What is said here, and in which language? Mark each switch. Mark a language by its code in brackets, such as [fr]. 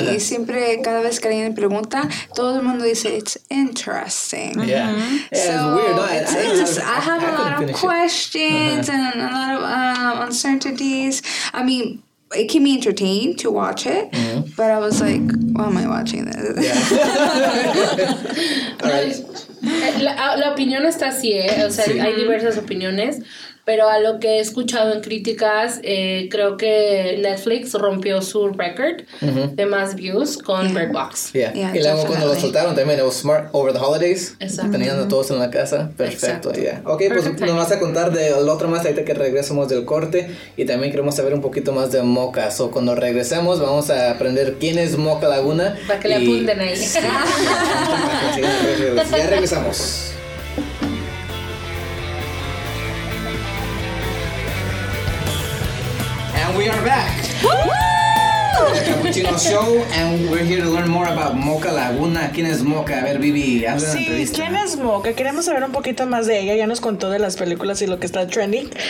[es] Uh-huh. Y siempre, cada vez que alguien pregunta, todo el mundo dice, [en] it's interesting. Yeah. Yeah, so it's weird, right? I have a lot of questions uh-huh, and a lot of uncertainties. I mean, it keep me entertained to watch it, mm-hmm, but I was like, why am I watching this? Yeah. [es] La opinión está así, ¿eh? O sea, sí, hay diversas opiniones. Pero a lo que he escuchado en críticas, creo que Netflix rompió su record, mm-hmm, de más views con, yeah, Bird Box. [en] Yeah. Yeah, [es] y luego cuando lo soltaron también, [en] it was smart over the holidays. [es] Exacto. Teniendo, mm-hmm, todos en la casa. Perfecto. Exacto. Yeah. [en] Okay, perfect, [es] pues timing. Nos vas a contar del otro más ahorita que regresemos del corte. Y también queremos saber un poquito más de Mocha. [en] So, [es] cuando regresemos, vamos a aprender quién es Mocha Laguna. Para que le apunten ahí. Sí. Ya regresamos. [en] We are back. Woo! Capuchino Show, and we're here to learn more about Mocha Laguna. [es] ¿Quién es Mocha? A ver, Vivi, hazle una entrevista. ¿Quién es Mocha? Queremos saber un poquito más de ella. Ya nos contó de las películas y lo que está trending.